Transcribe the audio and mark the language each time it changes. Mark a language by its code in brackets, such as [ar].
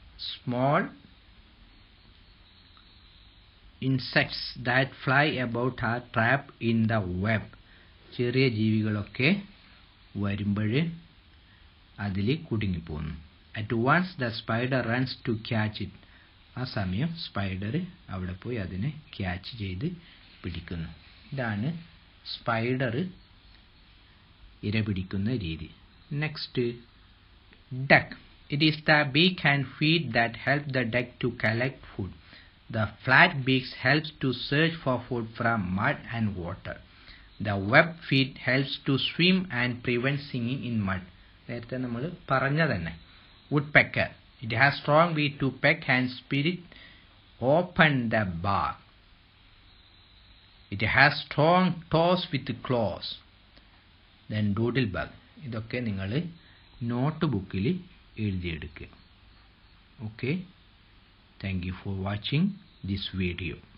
[en] Small insects that fly about are trapped in the web. [ml] ചെറിയ ജീവികളൊക്കെ വരുമ്പോഴേ അതിൽ കുടുങ്ങിപ്പോകുന്നു. [en] At once the spider runs to catch it. [ml] ആ സമയം spider അവിടെ പോയി അതിനെ ക്യാച്ച് ചെയ്ത് പിടിക്കുന്നു. ഇതാണ് സ്പൈഡർ ഇര പിടിക്കുന്ന രീതി. [en] Next, duck. It is the beak and feet that help the duck to collect food. The flat beak helps to search for food from mud and water. The web feet helps to swim and prevent sinking in mud. [ml] നേരത്തെ നമ്മൾ പറഞ്ഞതന്നെ. [en] Woodpecker. It has strong beak to peck and spirit open the bark. It has strong toes with claws. Then doodlebug. [ml] ഇതൊക്കെ നിങ്ങൾ നോട്ട്ബുക്കിൽ എഴുതിയെടുക്കുക. [en] Okay, thank you for watching this video.